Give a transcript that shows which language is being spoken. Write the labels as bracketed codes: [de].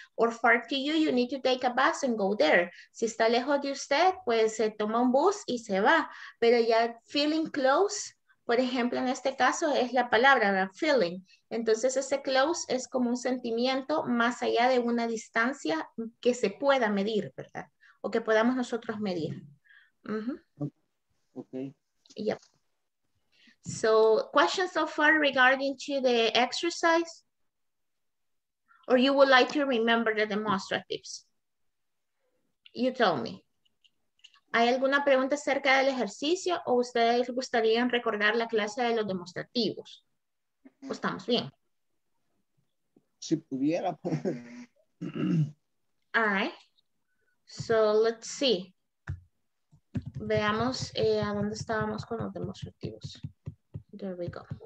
[en] Or far to you, you need to take a bus and go there. [es] Si está lejos de usted, pues se toma un bus y se va. Pero ya [en] feeling close, [es] por ejemplo, en este caso es la palabra, ¿verdad? Feeling. Entonces, ese close es como un sentimiento más allá de una distancia que se pueda medir, ¿verdad? O que podamos nosotros medir. [en] Okay. Yep. So, questions so far regarding to the exercise? Or you would like to remember the demonstratives? You tell me. [es] ¿Hay alguna pregunta acerca del ejercicio o ustedes gustarían recordar la clase de los demostrativos? Pues estamos bien. Si pudiera. [en] All right. So, let's see. [es] Veamos a dónde estábamos con los demostrativos. [en] There we go.